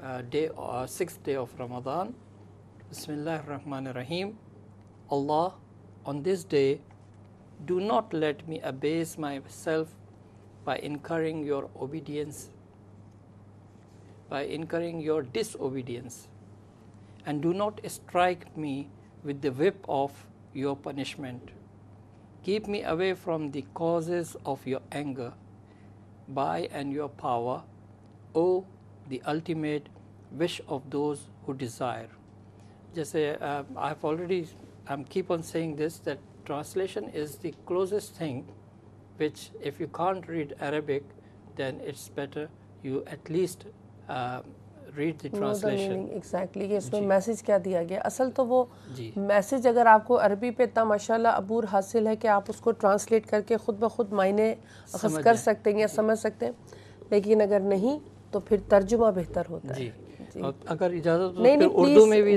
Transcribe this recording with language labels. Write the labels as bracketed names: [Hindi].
[English] Day six day of Ramzan بسم اللہ الرحمن الرحیم Allah, on this day, do not let me abase myself by incurring your obedience, by incurring your disobedience, and do not strike me with the whip of your punishment. Keep me away from the causes of your anger, by and your power, O the ultimate wish of those who desire. Jaise I've already I'm keep on saying this, that translation is the closest thing which if you can't read Arabic, then it's better you at least read the translation. Exactly. [Urdu] کہ اس میں message کیا دیا گیا اصل تو وہ message اگر آپ کو عربی پہ اتنا ماشاء اللہ عبور حاصل ہے کہ آپ اس کو ٹرانسلیٹ کر کے خود بخود معنی اخذ کر سکتے ہیں یا سمجھ سکتے ہیں لیکن اگر نہیں تو پھر ترجمہ بہتر ہوتا ہے اگر اجازت نہیں اردو میں بھی